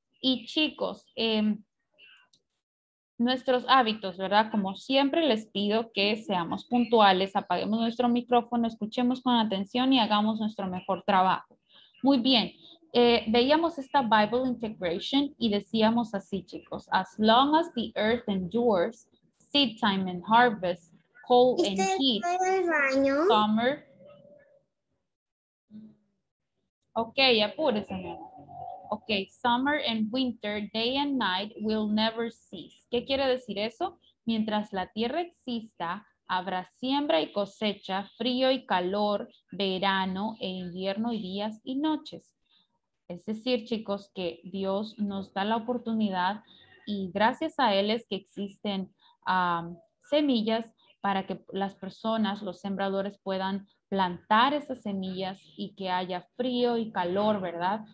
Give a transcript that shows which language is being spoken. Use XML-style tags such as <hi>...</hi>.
<es>Y chicos, nuestros hábitos, ¿verdad? Como siempre les pido que seamos puntuales, apaguemos nuestro micrófono, escuchemos con atención y hagamos nuestro mejor trabajo. Muy bien. Veíamos esta Bible integration y decíamos así, chicos.</es> <en>As long as the earth endures, seed time and harvest, cold and heat, summer. Ok, apúrese. Ok, summer and winter, day and night will never cease.</en> <es>¿Qué quiere decir eso? Mientras la tierra exista, habrá siembra y cosecha, frío y calor, verano e invierno y días y noches. Es decir, chicos, que Dios nos da la oportunidad y gracias a Él es que existen semillas para que las personas, los sembradores, puedan plantar esas semillas y que haya frío y calor, ¿verdad?</es>